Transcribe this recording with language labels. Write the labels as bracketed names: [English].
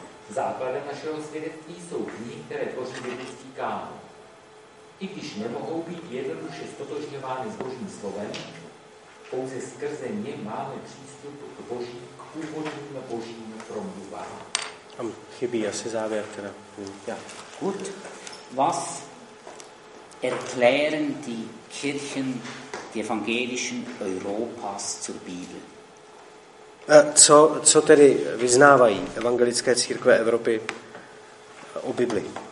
[Czech] Základem našeho svědectví jsou knihy, které tvoří biblický kánon. I když nemohou být jednoduše ztotožňovány s božím slovem, pouze skrze ně máme přístup k boží, k původním božím promluvám. Tam chybí asi závěr teda. [German] Ja. Gut. Was erklären die Kirchen, die evangelischen Europas zur Bibel? [Czech] Co tedy vyznávají evangelické církve Evropy o Bibli?